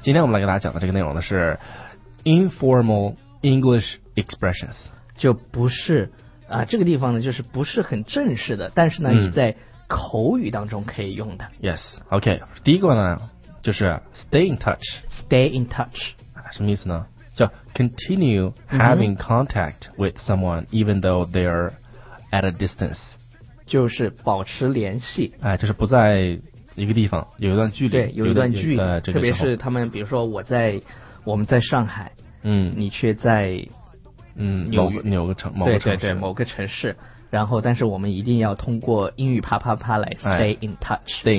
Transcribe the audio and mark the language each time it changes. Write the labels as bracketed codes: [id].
[zh] 今天我们来给大家讲的这个内容呢是 [en] informal English expressions， [zh] 就不是啊，这个地方呢就是不是很正式的，但是呢、你在口语当中可以用的。 [en] Yes，OK、okay。 [zh] 第一个呢就是 [en] stay in touch。 Stay in touch， [zh] 什么意思呢？叫 [en] continue having contact with someone even though they're at a distance， [zh] 就是保持联系，哎，就是不在一个地方，有一段距离，对，有一段距离，这个、特别是他们，比如说我们在上海，你却在某个城市，然后但是我们一定要通过英语啪啪啪来 [en] stay in touch，stay